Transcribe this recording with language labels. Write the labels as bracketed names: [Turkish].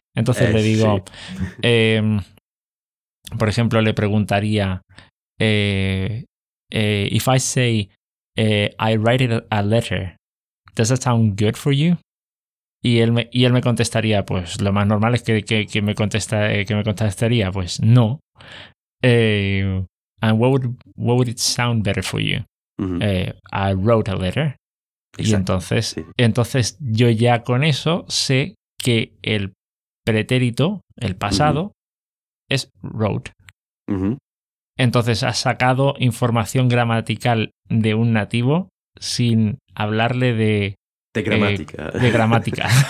[Spanish] Entonces le digo, por ejemplo, le preguntaría, [English] if I say, I write a letter, does that sound good for you? [Spanish] Y él me contestaría, pues lo más normal es que me contestaría, pues no. [English] And what would it sound better for you? Uh-huh. I wrote a letter. [Spanish] Exacto. Y entonces yo ya con eso sé que el pretérito, el pasado, uh-huh, es wrote. Uh-huh. Entonces has sacado información gramatical de un nativo sin hablarle de gramática.